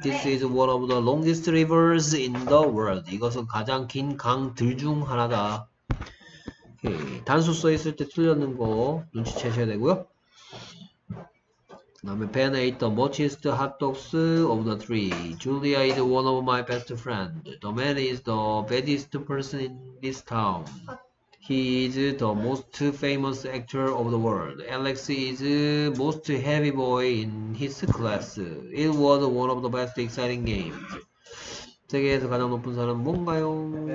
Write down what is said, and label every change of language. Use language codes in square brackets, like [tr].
[en] This is one of the longest rivers in the world. [ko] 이것은 가장 긴 강들 중 하나다. 오케이. 단수 써 있을 때 틀렸는 거 눈치채셔야 되고요. 그다음에 [en] Ben ate the mochiest hot dogs of the three. Julia is one of my best friends. The man is the baddest person in this town. He is the most famous actor of the world. Alex is the most heavy boy in his class. It was one of the best exciting games. [ko] 세계에서 가장 높은 사람은 뭔가요?